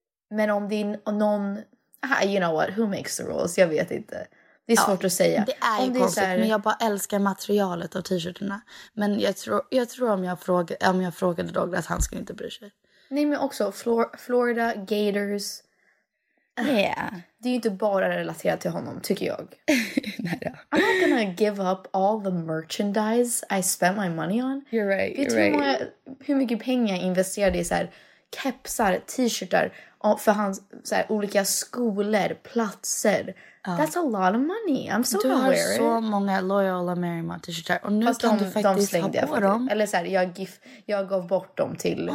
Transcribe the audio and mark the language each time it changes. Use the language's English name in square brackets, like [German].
[Swedish] Men om det är någon... [English] You know what, who makes the rules? [Swedish] Jag vet inte. Det är svårt att säga. Det är ju konstigt, är... men jag bara älskar materialet av t-shirterna. Men jag tror om jag frågade Douglas, han skulle inte bry sig. Nej, men också Florida Gators. [English] Yeah. [Swedish] Det är ju inte bara relaterat till honom, tycker jag. Nej, då. [English] I'm not gonna give up all the merchandise I spent my money on. You're right, you're right. [Swedish] Hur mycket pengar jag investerade i så här, kepsar, t-shirtar, för hans så här, olika skolor, platser. [English] That's a lot of money. I'm so aware. [Swedish] Du har så många Loyal and Marymount t-shirtar. Och nu fast kan de, du faktiskt de ha på dem. Eller så här, jag gav bort dem till...